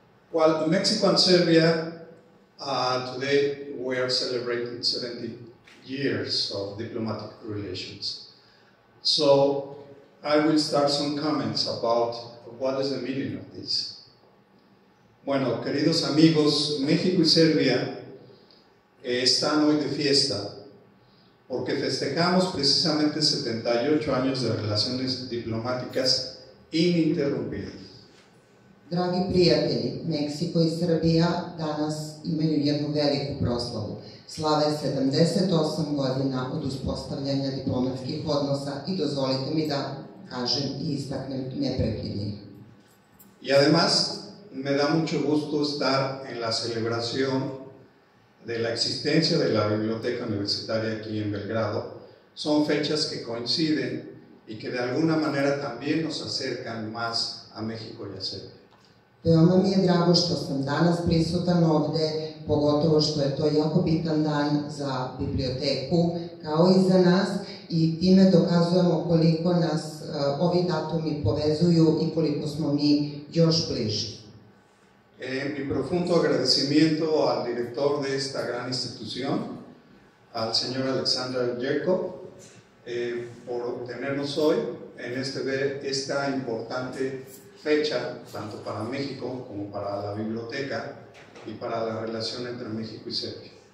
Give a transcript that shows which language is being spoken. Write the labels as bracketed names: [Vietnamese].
[English] Well, Mexico and Serbia, today we are celebrating 70 years of diplomatic relations. So I will start some comments about what is the meaning of this. [Spanish] Bueno, queridos amigos, México y Serbia están hoy de fiesta porque festejamos precisamente 78 años de relaciones diplomáticas ininterrumpidas. [Serbian] Dragi prijatelji, Meksiko i Srbija danas imaju jednu veliku proslavu. Slave 78 godina od uspostavljanja diplomatskih odnosa i dozvolite mi da kažem i istaknem neprekidni. [Spanish] I además, me da mucho gusto estar en la celebración de la existencia de la Biblioteca Universitaria aquí en Belgrado. Son fechas que coinciden y que de alguna manera también nos acercan más a México y a Serbia. [Serbian] Veoma mi je drago što sam danas prisutan ovde, pogotovo što je to jako bitan dan za biblioteku, kao i za nas, i time dokazujemo koliko nas ovi datumi povezuju i koliko smo mi još bliži. [Spanish] Mi profundo agradecimiento al director de esta gran institución, al señor Alexander Jacob, por tenernos hoy en esta importante fecha, tanto para México como para la biblioteca y para la relación entre México y Serbia.